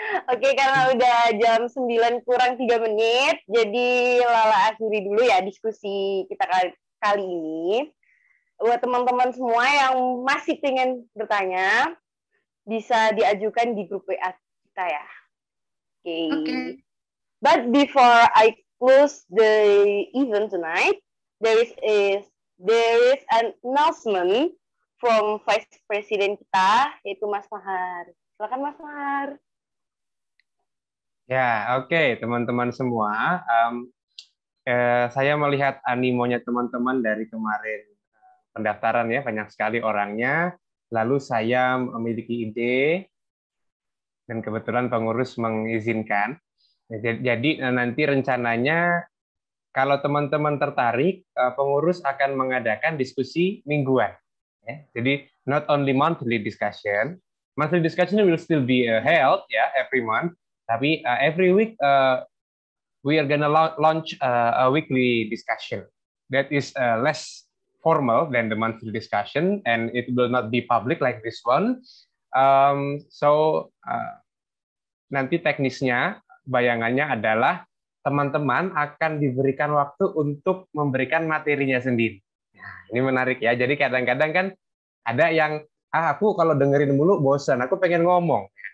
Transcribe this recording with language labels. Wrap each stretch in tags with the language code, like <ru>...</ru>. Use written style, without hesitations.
<id>Oke, karena udah jam 9 kurang 3 menit, jadi Lala akhiri dulu ya diskusi kita kali ini. Buat teman-teman semua yang masih ingin bertanya, bisa diajukan di grup WA kita ya. Oke. Okay.</id> <en>But before I close the event tonight, there is an announcement from Vice President</en> <id>kita, yaitu</id> <en>Mas Mahar.</en> <id>Silakan Mas Mahar. Ya, okay, teman-teman semua. Saya melihat animonya teman-teman dari kemarin pendaftaran ya, banyak sekali orangnya. Lalu saya memiliki ide, dan kebetulan pengurus mengizinkan. Jadi nanti rencananya, kalau teman-teman tertarik, pengurus akan mengadakan diskusi mingguan.</id> <en>Jadi not only monthly discussion will still be held ya every month, tapi every week we are gonna launch a weekly discussion that is less formal than the monthly discussion and it will not be public like this one.</en> <id>So nanti teknisnya bayangannya adalah teman-teman akan diberikan waktu untuk memberikan materinya sendiri. Nah, ini menarik ya. Jadi kadang-kadang kan ada yang aku kalau dengerin mulu bosan, aku pengen ngomong.</id>